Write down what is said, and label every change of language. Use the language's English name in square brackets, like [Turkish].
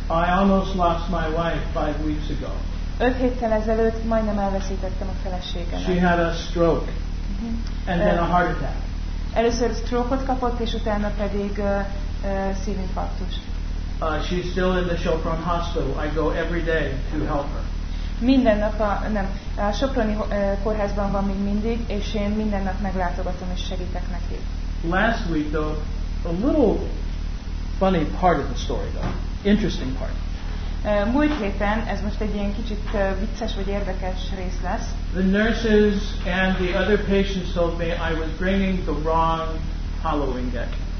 [English] I almost lost my wife 5 weeks ago. [Hungarian] 5 héttel ezelőtt majdnem elveszítettem a feleségemet. [English] She had a stroke and then a heart attack. [Hungarian] Először stroke-ot kapott, és utána pedig szívinfarktust. [English] She's still in the Sopron hospital. I go every day to help her. [Hungarian] Minden nap a Soproni kórházban van még mindig, és én minden nap meglátogatom és segítek neki. [English] Last week though, a little funny part of the story though. Interesting part. [Hungarian] Múlt héten, ez most egy ilyen kicsit vicces vagy érdekes rész lesz. [English] The nurses and the other patients told me I was bringing the wrong Halloween deck.